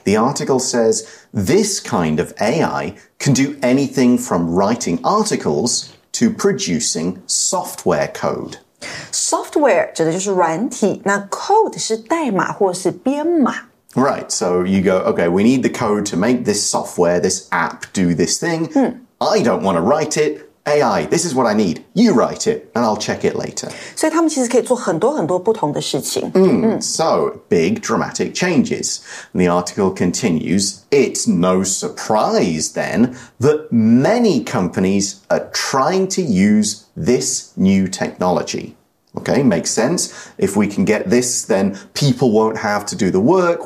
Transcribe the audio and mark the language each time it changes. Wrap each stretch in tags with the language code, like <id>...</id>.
<en>The article says, this kind of AI can do anything from writing articles to producing software code.</en> <zh>Software 指的就是软体，那 code 是代码或是编码。</zh> <en>Right, so you go, okay, we need the code to make this software, this app do this thing. I don't want to write it, AI, this is what I need. You write it, and I'll check it later.</en> <zh>所以他们其实可以做很多很多不同的事情。</zh> <en>So, big dramatic changes. And the article continues, it's no surprise, then, that many companies are trying to use this new technology. Okay, makes sense. If we can get this, then people won't have to do the work.</en>